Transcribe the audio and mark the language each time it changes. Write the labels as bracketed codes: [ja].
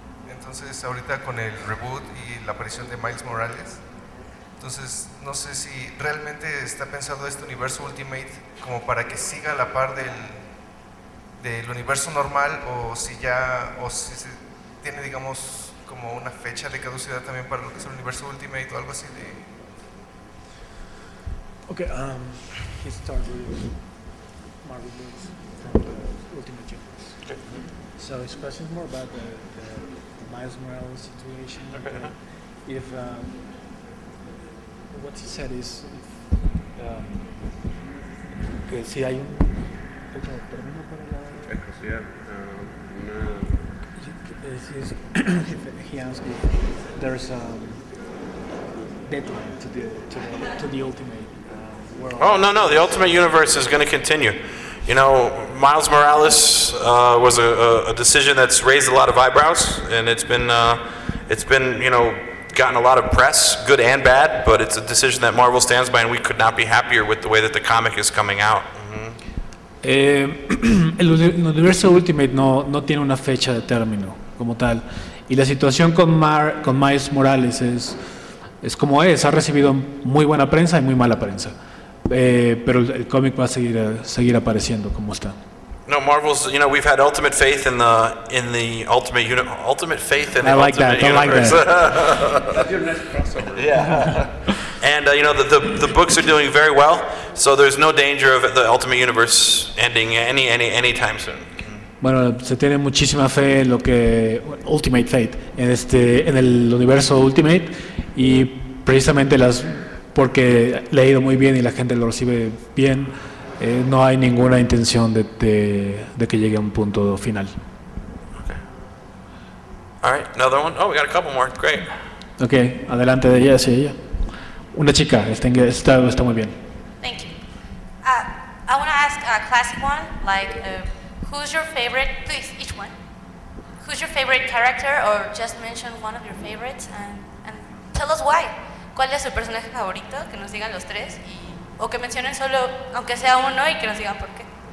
[es] Entonces, ahorita con el reboot y la aparición de Miles Morales, entonces no sé si realmente está pensado este Universo Ultimate como para que siga a la par del universo normal, o si se tiene, digamos, como una fecha de caducidad también para lo que es el Universo Ultimate o algo así de. [en] Okay, he started with Marvel books from the Ultimate Universe. So his question is more about the Miles Morales situation. Okay. What he said is if [es] que si hay un término para la [en] he asked if there's a deadline to the ultimate world. Oh no, the Ultimate Universe is going to continue. You know, Miles Morales was a decision that's raised a lot of eyebrows, and it's been you know, gotten a lot of press, good and bad, but it's a decision that Marvel stands by, and we could not be happier with the way that the comic is coming out. [es] El Universo Ultimate no tiene una fecha de término como tal, y la situación con Miles Morales es como es, ha recibido muy buena prensa y muy mala prensa. Pero el cómic va a seguir apareciendo como está. [en] No, Marvel's, you know, we've had ultimate faith in the ultimate ultimate faith in the like ultimate that. Universe. I like that. That's your next crossover. Yeah. And you know, the books are doing very well, so there's no danger of the Ultimate Universe ending any time soon. [es] Bueno, se tiene muchísima fe en lo que Ultimate Fate en el Universo Ultimate, y precisamente las porque le ha ido muy bien y la gente lo recibe bien, no hay ninguna intención de que llegue a un punto final. [en] Okay. All right, another one. Oh, we got a couple more. Great. [es] Okay, adelante de ella, sí, ella. Una chica, está muy bien. [en] Thank you. I want to ask a classic one, who's your favorite, please, each one. Who's your favorite character, or just mention one of your favorites, and tell us why. [es] ¿Cuál es su personaje favorito? Que nos digan los tres. O que mencionen solo, aunque sea uno, y que nos digan por qué.